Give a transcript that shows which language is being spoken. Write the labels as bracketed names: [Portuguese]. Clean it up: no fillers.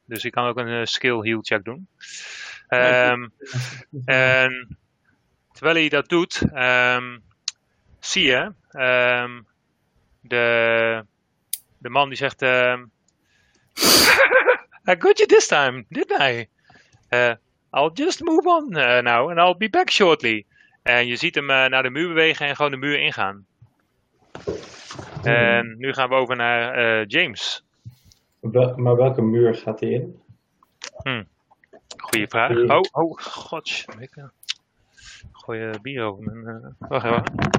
[Dutch] Dus ik kan ook een skill heal check doen. En terwijl hij dat doet, zie je de man die zegt [English] I got you this time, didn't I? I'll just move on now and I'll be back shortly. [Dutch] En je ziet hem naar de muur bewegen en gewoon de muur ingaan. En nu gaan we over naar James. Maar welke muur gaat hij in? Goeie vraag. Oh god. Gooi bier over mijn... Wacht.